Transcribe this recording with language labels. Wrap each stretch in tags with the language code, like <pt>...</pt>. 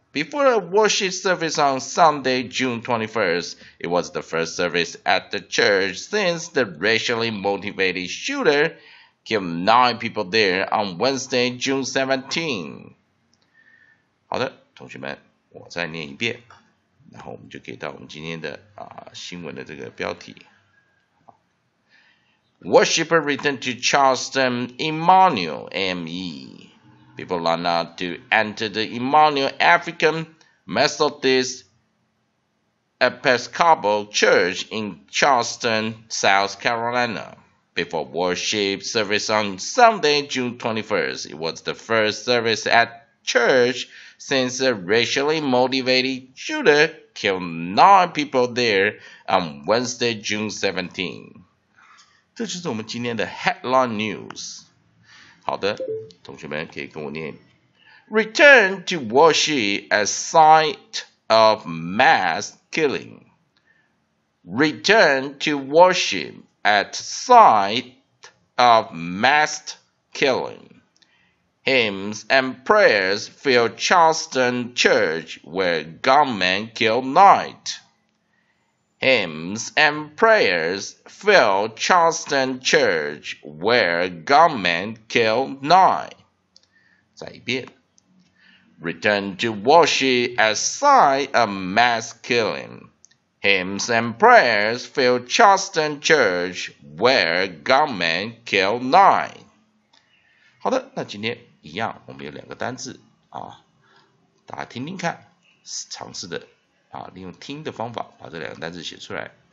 <en>Before a worship service on Sunday, June 21st, it was the first service at the church since the racially motivated shooter killed 9 people there on Wednesday, June 17.</en> <zh>好的，同学们，我再念一遍，然后我们就可以到我们今天的新闻的这个标题。</zh> <en>Worshipper return to Charleston Emmanuel ME. People learn how to enter the Emmanuel African Methodist Episcopal Church in Charleston, South Carolina. Before worship service on Sunday, June 21st, it was the first service at church since a racially motivated shooter killed 9 people there on Wednesday, June 17th.</en> <zh>这就是我们今天的 headline news。好的，同学们可以跟我念。</zh> <en>Return to worship at site of mass killing. Return to worship at site of mass killing. Hymns and prayers fill Charleston church where gunmen killed 9. Hymns and prayers fill Charleston church where gunmen killed 9.</en> <zh>再一遍。</zh> <en>Return to worship at sight of mass killing. Hymns and prayers fill Charleston church where gunmen killed 9.</en> <zh>好的，那今天一样，我们有两个单字大家听听看，尝试的利用听的方法把这两个单字写出来。</zh>